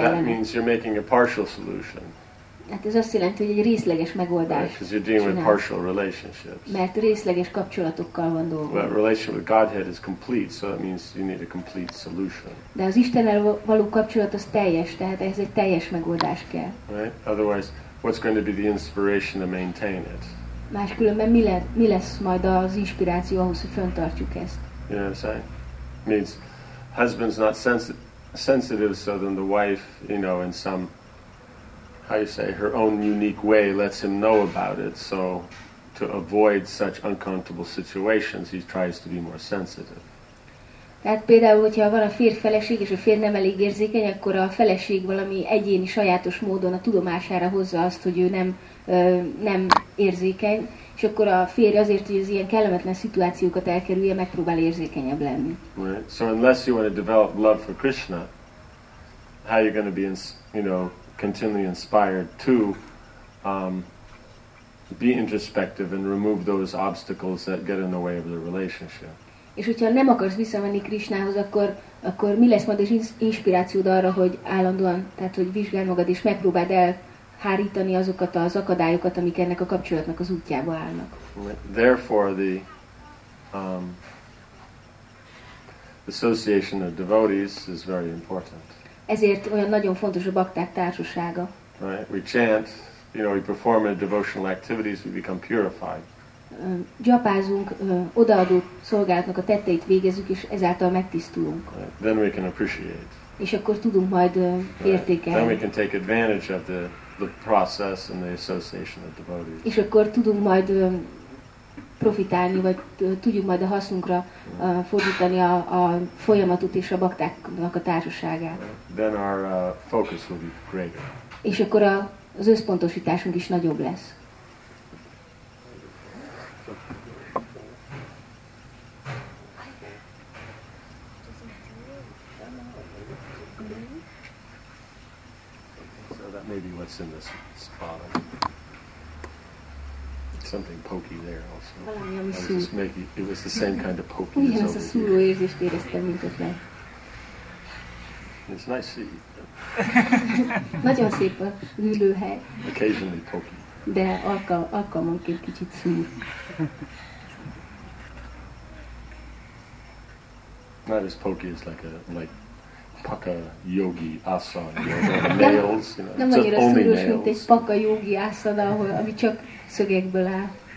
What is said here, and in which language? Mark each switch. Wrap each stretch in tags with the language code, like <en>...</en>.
<en>So that means you're making a partial solution.</en> <hu>Hát ez azt jelenti, hogy egy részleges megoldás.</hu> <en>Right, because you're dealing with partial relationships.</en> <hu>Mert részleges kapcsolatokkal van dolgunk.</hu> <en>Well, a relationship with Godhead is complete, so that means you need a complete solution.</en> <hu>De az Istennel való kapcsolat az teljes, tehát ez egy teljes megoldás kell.</hu> <en>Right? Otherwise, what's going to be the inspiration to maintain it?</en> <hu>Máskülönben mi lesz majd az inspiráció ahhoz, hogy fönntartjuk ezt?</hu> <en>You know what I'm saying? Means husband's not sensitive, so then the wife, you know, in some, how you say, her own unique way lets him know about it, so to avoid such uncomfortable situations, he tries to be more sensitive.</en> <hu>Tehát például, hogyha van a férj feleség, és a férj nem elég érzékeny, akkor a feleség valami egyéni, sajátos módon a tudomására hozza azt, hogy ő nem érzékeny, és akkor a férj azért, hogy az ilyen kellemetlen szituációkat elkerülje, megpróbál érzékenyebb lenni. Right.</hu> <en>So unless you want to develop love for Krishna, how are you going to be, you know, continually inspired to be introspective and remove those obstacles that get in the way of the relationship.</en> <hu>És hogyha nem akarsz visszamenni Krishnához, akkor mi lesz majd az inspirációd arra, hogy állandóan, tehát hogy vizsgálj magad és megpróbáld elhárítani azokat az akadályokat, amik ennek a kapcsolatnak az útjába állnak.</hu> <en>Therefore the association of devotees is very important.</en> <hu>Ezért olyan nagyon fontos a bakták társasága.</hu> <en>Right. We chant, you know, we perform in devotional activities, we become purified.</en> <hu>Gyapázunk, odaadó szolgálatnak a tetteit végezzük, és ezáltal megtisztulunk.</hu> <en>Right. Then we can appreciate.</en> <hu>És akkor tudunk majd értékelni.</hu> <en>Then we can take advantage of the process and the association of devotees.</en> <hu>És akkor tudunk majd profitálni, vagy tudjuk majd a hasznunkra fordítani a folyamatot és a baktáknak a társaságát.</hu> <en>Then our focus will be greater.</en> <hu>És akkor az összpontosításunk is nagyobb lesz.</hu> <en>So that may be what's in this spot. Something pokey there also. It was the same kind of pokey.</en> <hu>Igen, as az szúró érzést éreztem, mint ott lehet.</hu> <en>It's nice to see.</en> <hu>Nagyon szép a hűlőhely.</hu> <en>Occasionally pokey.</en> <hu>De alkalmanként kicsit szúr.</hu> <en>Not as pokey as like paka yogi asana, you know, nails, you know.</en> <hu>Nem annyira szúros, mint egy paka yogi asana, ami csak szögekből áll.</hu>